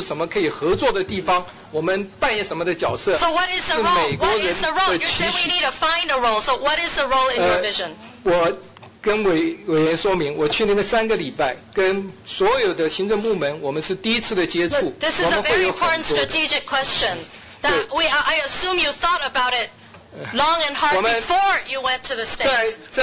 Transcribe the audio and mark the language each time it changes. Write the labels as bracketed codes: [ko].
[zh] 我们必须在美国这个重返亚太这个政策之中找到对于台美关系啊有什么可以合作的地方，我们扮演什么的角色？ [en] So what is the role? What is the role? You say we need to find a role. So what is the role in your vision? [zh] 我跟委员说明，我去那边三个礼拜，跟所有的行政部门，我们是第一次的接触。 [en] This is a very important strategic question that I assume you thought about it. Long and hard before you went to the States.